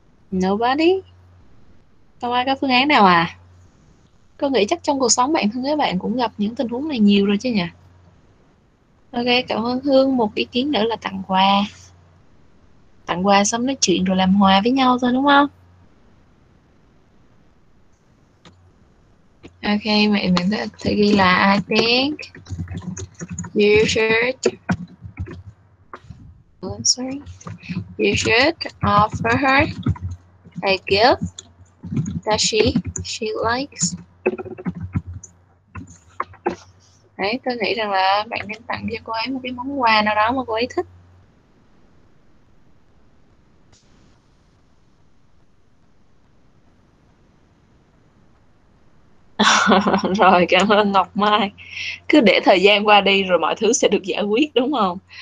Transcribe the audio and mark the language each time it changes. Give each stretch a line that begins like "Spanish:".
English: Nobody.
Vietnamese: Không ai có phương án nào à? Cô nghĩ chắc trong cuộc sống bạn thân với bạn cũng gặp những tình huống này nhiều rồi chứ nhỉ? Ok, cảm ơn Hương. Một ý kiến nữa là tặng quà. Tặng quà xong nói chuyện rồi làm hòa với nhau thôi đúng không?
English: Ok,
Vietnamese: vậy mình sẽ ghi là
English: I think you should offer her a gift that she likes.
Vietnamese: Đấy, tôi nghĩ rằng là bạn nên tặng cho cô ấy một cái món quà nào đó mà cô ấy thích. Rồi, cảm ơn Ngọc Mai. Cứ để thời gian qua đi rồi mọi thứ sẽ được giải quyết đúng không?